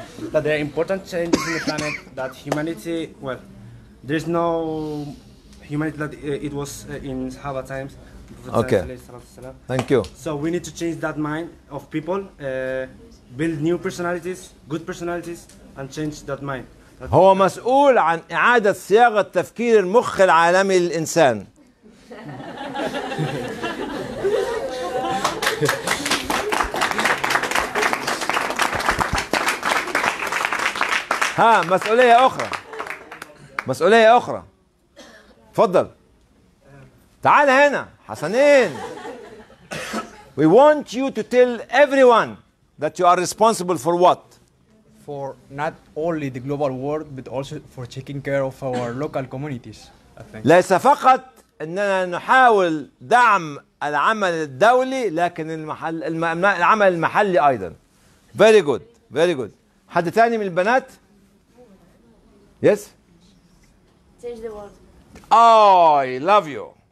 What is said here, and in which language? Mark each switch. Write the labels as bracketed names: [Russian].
[English] That there are important changes in the planet, that humanity, well, there is no humanity that it was in Sahaba times. Okay. Thank you. So we need to change that mind of people, build new personalities, good personalities, and change that mind. [Arabic] هو مسؤول عن إعادة صياغة تفكير المخ العالمي للإنسان. ها مسؤولية أخرى. مسؤولية أخرى. تفضل. تعال هنا حسنين. [English] We want you to tell everyone that you are responsible for what? For not only the global world, but also for taking care of our local communities, I think. [Arabic] ليس فقط أننا نحاول دعم العمل الدولي لكن العمل المحلي أيضا. [English] Very good, very good. [Arabic] حد تاني من البنات؟ [English] Yes? Change the world. Oh, I love you.